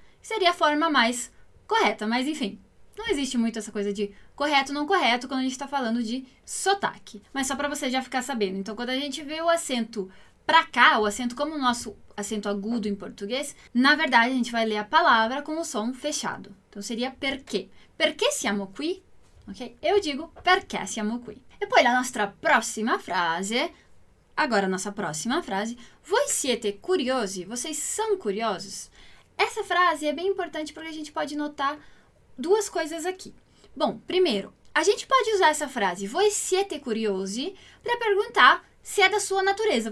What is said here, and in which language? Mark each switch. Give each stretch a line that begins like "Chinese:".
Portuguese: Seria a forma mais correta, mas enfim, não existe muito essa coisa de correto ou não correto quando a gente está falando de sotaque. Mas só para você já ficar sabendo. Então, quando a gente vê o acento para cá, o acento como o nosso acento agudo em português, na verdade a gente vai ler a palavra com o som fechado. Então seria perché.
Italian: Perché siamo qui?
Portuguese: Ok? Eu digo
Italian: perché siamo qui. E poi la nostra prossima frase.
Portuguese: Agora a nossa próxima frase.
Italian: Voi siete curiosi?
Portuguese: Vocês são curiosos? Essa frase é bem importante porque a gente pode notar duas coisas aqui. Bom, primeiro, a gente pode usar essa frase,
Italian: voi siete curiosi,
Portuguese: para perguntar se é da sua natureza.